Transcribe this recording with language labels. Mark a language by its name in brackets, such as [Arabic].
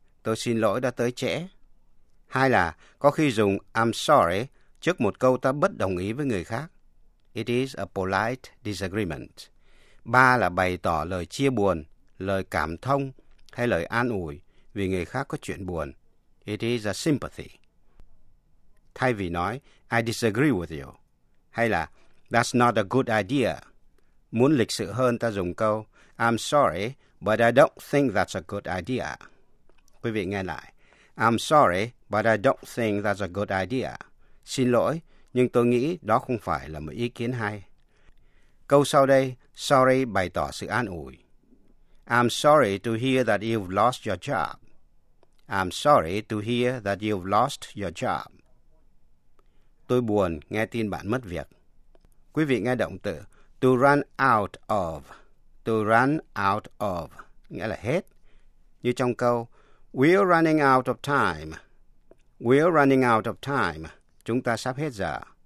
[Vietnamese] Tôi xin lỗi đã tới trễ. Hai là có khi dùng I'm sorry trước một câu ta bất đồng ý với người khác. [English] It is a polite disagreement. [Vietnamese] Ba là bày tỏ lời chia buồn, lời cảm thông hay lời an ủi vì người khác có chuyện buồn. [English] It is a sympathy. [Vietnamese] Thay vì nói [English] I disagree with you [Vietnamese] hay là [English] that's not a good idea. [Vietnamese] Muốn lịch sự hơn ta dùng câu [English] I'm sorry but I don't think that's a good idea. [Vietnamese] Quý vị nghe lại. [English] I'm sorry but I don't think that's a good idea. [Vietnamese] Xin lỗi, nhưng tôi nghĩ đó không phải là một ý kiến hay. Câu sau đây, sorry bày tỏ sự an ủi. [English] I'm sorry to hear that you've lost your job. I'm sorry to hear that you've lost your job. [Vietnamese] Tôi buồn nghe tin bạn mất việc. Quý vị nghe động từ to run out of. To run out of nghĩa là hết. Như trong câu [English] we're running out of time. We're running out of time. [Vietnamese] Chúng ta sắp hết giờ.